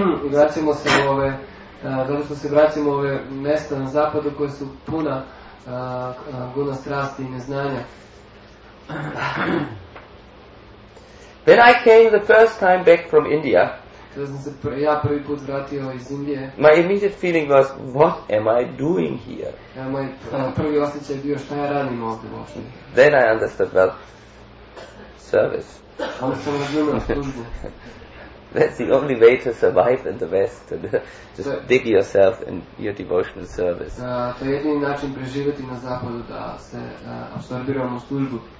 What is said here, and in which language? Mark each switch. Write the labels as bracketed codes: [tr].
[sr] Vraćamo se u ove, dobro što se vraćamo u ove mjesta na zapadu koje su puna guna strasti i neznanja. [en] Then I came the first time back from India. [sr] Ja prvi put vratio iz Indije. [en] My immediate feeling was, what am I doing here? [sr] Ja moj prvi osjećaj bio šta ja radim ovdje uopšte. [en] Then I understood, well, service. [sr] Onda sam razumio službu. [en] That's the only way to survive in the West, to just dig yourself in your devotional service. [sr] To je jedini način preživjeti na zapadu, da se absorbiramo u službu.